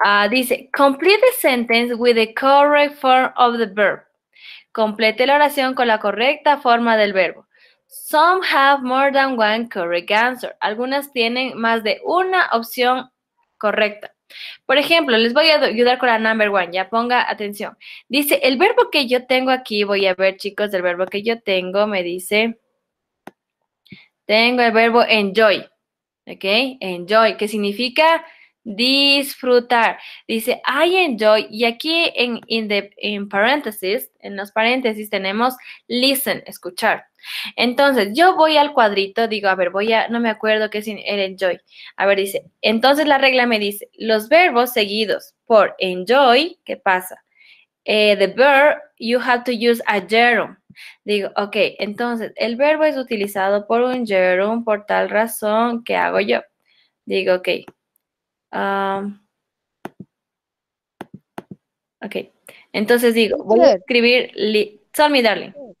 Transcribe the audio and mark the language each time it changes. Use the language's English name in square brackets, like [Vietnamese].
[English] Dice, complete the sentence with the correct form of the verb. [Spanish] Complete la oración con la correcta forma del verbo. [English] Some have more than one correct answer. [Spanish] Algunas tienen más de una opción correcta. Por ejemplo, les voy a ayudar con la number one, ya ponga atención. Dice, el verbo que yo tengo aquí, voy a ver chicos, el verbo que yo tengo, me dice, tengo el verbo enjoy, ¿ok? Enjoy, que significa disfrutar. Dice, [English] I enjoy, [Spanish] y aquí [English] in parentheses, [Spanish] en los paréntesis tenemos listen, escuchar. Entonces, yo voy al cuadrito, digo, a ver, no me acuerdo qué es el enjoy. A ver, dice, entonces la regla me dice, los verbos seguidos por enjoy, ¿qué pasa? [English] The verb, you have to use a gerund. [Spanish] Digo, ok, entonces, el verbo es utilizado por un gerund por tal razón, ¿qué hago yo? Digo, ok. Ok, entonces digo, voy a escribir [English] Tell me, darling.